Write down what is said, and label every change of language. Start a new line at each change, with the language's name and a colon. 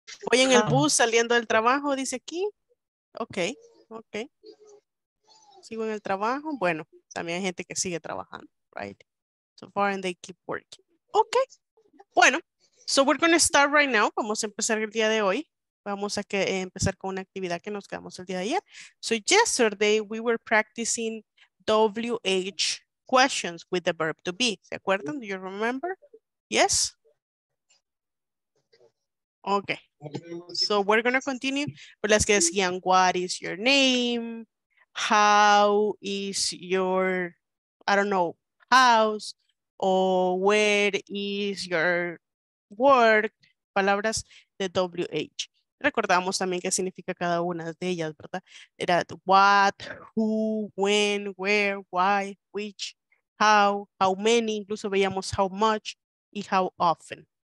Spanish: Voy en el bus saliendo del trabajo, dice aquí. Ok, ok. Sigo en el trabajo. Bueno, también hay gente que sigue trabajando,
English: right? So far and they keep working. Ok, bueno. So we're going to start right now.
Spanish: Vamos a empezar el día de hoy. Vamos a empezar con una actividad que nos quedamos el día de ayer.
English: So yesterday we were practicing WH questions with the verb to be.
Spanish: ¿Se acuerdan?
English: Do you remember? Yes? Okay. So we're going to continue. But let's get again. What is your name? How is your, I don't know, house? Or where is your work?
Spanish: Palabras de WH. Recordamos también qué significa cada una de ellas, ¿verdad? Era what, who, when, where, why, which, how many, incluso veíamos how much y how often.